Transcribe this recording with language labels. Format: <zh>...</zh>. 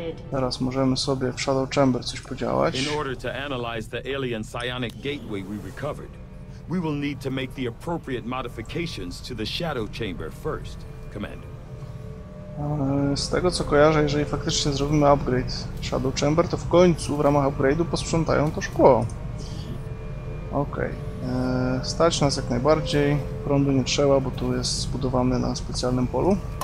<pl>Teraz możemy sobie w Shadow Chamber coś podziałać.</pl> <en>In order to analyze the alien psionic gateway we recovered, we will need to make the appropriate modifications to the Shadow Chamber first, Commander.</en> <pl>Z tego co kojarzę, jeżeli faktycznie zrobimy upgrade Shadow Chamber, to w końcu w ramach upgrade'u posprzątają to szkło. Okej. Okay. Stać nas jak najbardziej, prądu nie trzeba, bo tu jest zbudowany na specjalnym polu.</pl>